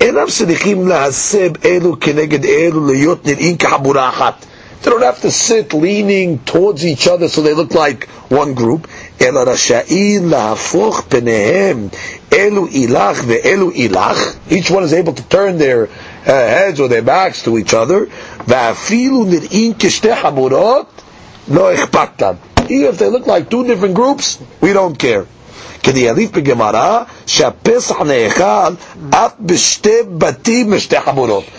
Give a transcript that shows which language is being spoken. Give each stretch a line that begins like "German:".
Hebrew: אינם צריכים להסב אלו כנגד אלו להיות נראים כחבורה אחת.
English: They don't have to sit leaning towards each other so they look like one group.
Hebrew: אלא רשאים להפוך פניהם אלו אילך ואלו אילך.
English: Each one is able to turn their heads or their backs to each other.
Hebrew: ואפילו נראים כשתי חבורות, לא אכפת להם.
English: Even if they look like two different groups, we don't care.
Hebrew: כדי יליף בגמרא שהפסח נאכל אף בשתי בתים משתי חבורות.